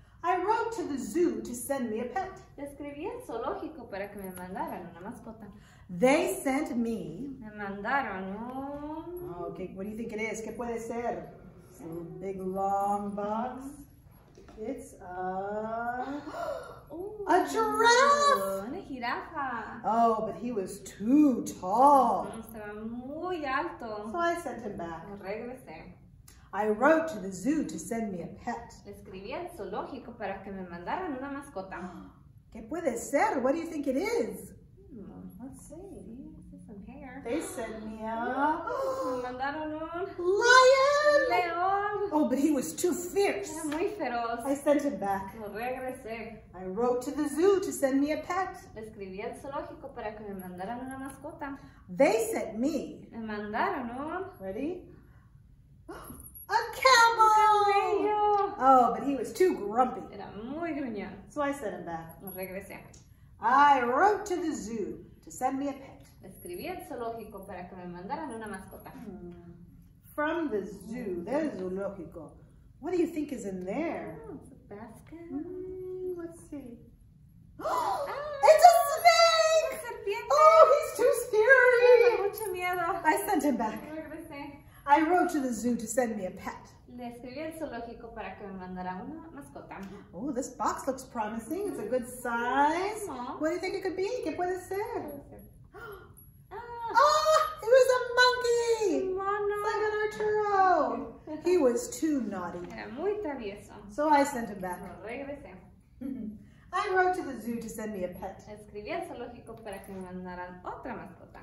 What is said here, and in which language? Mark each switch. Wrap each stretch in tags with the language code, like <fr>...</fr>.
<en>I wrote to the zoo to send me a pet.</en> <es>Le escribí al zoológico para que me mandaran una mascota.</es> <en>They sent me...</en> <es>Me mandaron un...</es> <en>Okay, what do you think it is?</en> <es>¿Qué puede ser?</es> <en>Some big long box. It's a... Ooh, a giraffe! And a jirafa. Oh, but he was too tall.</en> <es>Estaba muy alto.</es> <en>So I sent him back.</en> <es>Regresé.</es> <en>I wrote to the zoo to send me a pet.</en> <es>Le escribí al zoológico para que me mandaran una mascota. ¿Qué puede ser?</es> <en>What do you think it is? Let's see. Maybe some hair. They sent me a...</en> <es>Me mandaron un...</es> <en>Lion!</en> <es>Un león!</es> <en>Oh, but he was too fierce.</en> <es>Era muy feroz.</es> <en>I sent him back.</en> <es>Lo regresé.</es> <en>I wrote to the zoo to send me a pet.</en> <es>Le escribí al zoológico para que me mandaran una mascota.</es> <en>They sent me...</en> <es>Me mandaron un...</es> <en>Ready? A camel!</en> <es>Camello.</es> <en>Oh, but he was too grumpy.</en> <es>Era muy gruñón.</es> <en>So I sent him back.</en> <es>Lo regresé.</es> <en>I wrote to the zoo to send me a pet.</en> <es>Escribí al zoológico para que me mandaran una mascota.</es> <en>From the zoo,</en> <es>del zoológico,</es> <en>What do you think is in there? Oh, it's a basket. Let's see. It's a snake!</en> <es>Serpiente.</es> <en>Oh, he's too scary!</en> <es>Mucho miedo.</es> <en>I sent him back. I wrote to the zoo to send me a pet.</en> <es>Le escribí al zoológico para que me mandara una mascota.</es> <en>Oh, this box looks promising. It's a good size. Aww. What do you think it could be?</en> <es>¿Qué puede ser?</es> <en>Oh, it was a monkey!</en> <es>Mono.</es> <en>Like an Arturo. He was too naughty.</en> <es>Era muy travieso.</es> <en>So I sent him back.</en> <es>Lo regresé.</es> <en>I wrote to the zoo to send me a pet.</en> <es>Escribí al zoológico para que me mandaran otra mascota.</es>